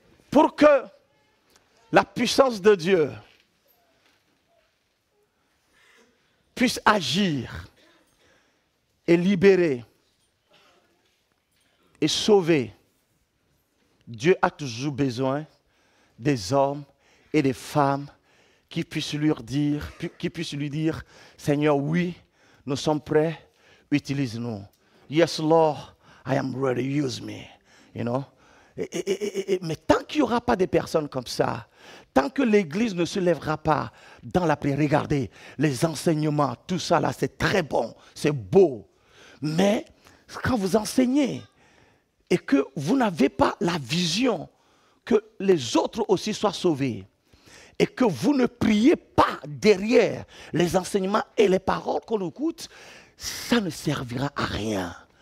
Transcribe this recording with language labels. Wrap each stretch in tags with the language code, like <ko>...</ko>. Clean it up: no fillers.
<fr>Pour que la puissance de Dieu puisse agir et libérer et sauver, Dieu a toujours besoin des hommes et des femmes qui puissent lui dire, Seigneur, oui, nous sommes prêts, utilise-nous.</fr> <en>Yes, Lord, I am ready, use me. You know?</en> <fr>Mais tant qu'il n'y aura pas de personnes comme ça, tant que l'Église ne se lèvera pas dans la prière, regardez, les enseignements, tout ça là, c'est très bon, c'est beau. Mais quand vous enseignez et que vous n'avez pas la vision que les autres aussi soient sauvés et que vous ne priez pas derrière les enseignements et les paroles qu'on écoute, ça ne servira à rien.</fr>